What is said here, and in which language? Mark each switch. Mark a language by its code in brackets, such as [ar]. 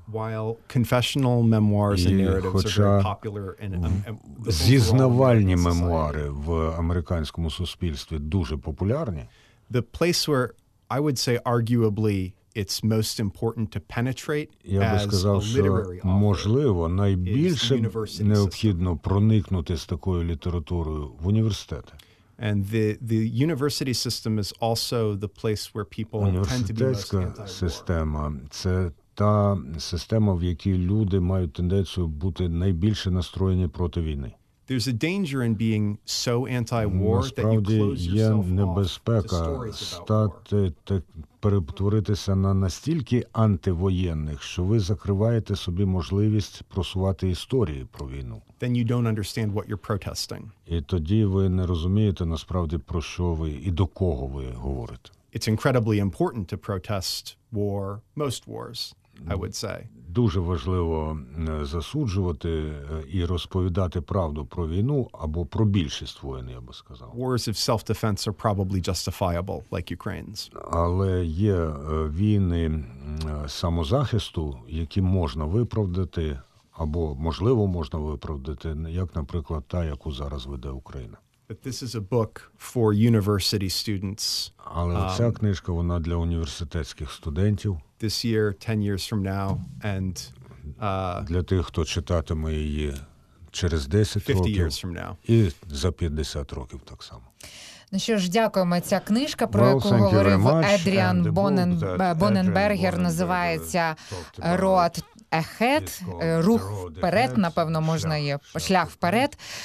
[en] While confessional memoirs and narratives are very popular in [uk] зізнавальні мемуари в американському суспільстві дуже популярні. [en] The place where I would say arguably it's most important to penetrate as a literary author. [uk] Можливо, найбільше необхідно проникнути з такою літературою в університети. [en] And the university system is also the place where people tend to be most anti-war. [uk] Система це та система, в якій люди мають тенденцію бути найбільше настроєні проти війни. [en] There's a danger in being so anti-war [uk] насправді, [en] that you close yourself off to stories about war. [uk] Перетворитися на настільки антивоєнних, що ви закриваєте собі можливість просувати історії про війну. [en] Then you don't understand what you're protesting. [uk] І тоді ви не розумієте насправді про що ви і до кого ви говорите. [en] It's incredibly important to protest war, most wars, I would say. [uk] Дуже важливо засуджувати і розповідати правду про війну або про більшість воєн, я би сказав. [en] Wars of self-defense are probably justifiable, like Ukraine's. [uk] Але є війни самозахисту, які можна виправдати, або, можливо, можна виправдати, як, наприклад, та, яку зараз веде Україна. [en] But this is a book for university students. [uk] Але ця книжка, вона для університетських студентів. [en] This year, 10 years from now, and [uk] для тих, хто читатиме її через 10 років, 50 [en] years from now. [uk] І за 50 років так само. Ну що ж, дякуємо. Ця книжка, про яку говорив Едріан Боненбергер, називається «Road Ahead», рух вперед, напевно, можна є шлях вперед.